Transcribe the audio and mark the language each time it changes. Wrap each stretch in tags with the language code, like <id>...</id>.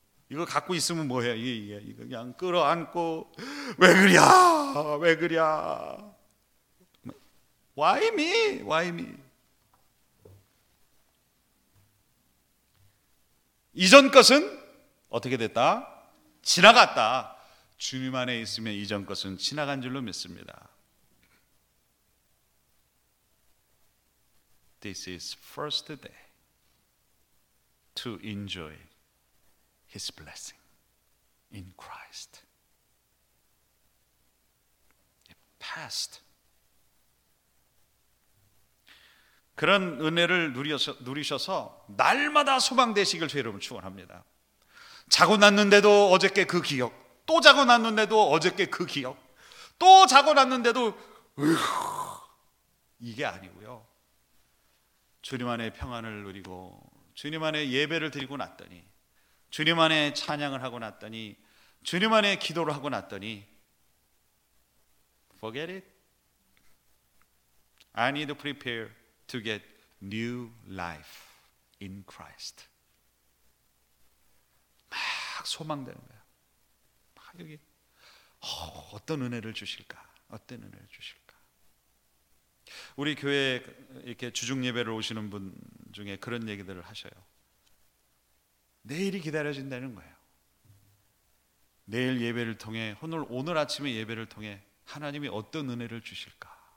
<ko>이거 갖고 있으면 뭐해요? 이거 그냥 끌어안고 왜 그랴</ko> <en>Why me?</en> <ko>이전 것은 어떻게 됐다? 지나갔다. 주님 안에 있으면 이전 것은 지나간 줄로 믿습니다.</ko> <en>This is first day to enjoy His blessing in Christ. Past.</en> <ko>그런 은혜를 누리셔서 날마다 소망되시길 주 이름으로 축원합니다. 자고 났는데도 어저께 그 기억, 또 자고 났는데도 어저께 그 기억, 또 자고 났는데도 이게 아니고요. 주님 안에 평안을 누리고 주님 안에 예배를 드리고 났더니 주님 안에 찬양을 하고 났더니 주님 안에 기도를 하고 났더니</ko> <en>Forget it. I need to prepare to get new life in Christ.</en> <ko>막 소망되는 거야. 막 여기 어떤 은혜를 주실까? 어떤 은혜를 주실까? 우리 교회 이렇게 주중 예배를 오시는 분 중에 그런 얘기들을 하셔요. 내일이 기다려진다는 거예요. 내일 예배를 통해 오늘 아침에 예배를 통해 하나님이 어떤 은혜를 주실까?</ko>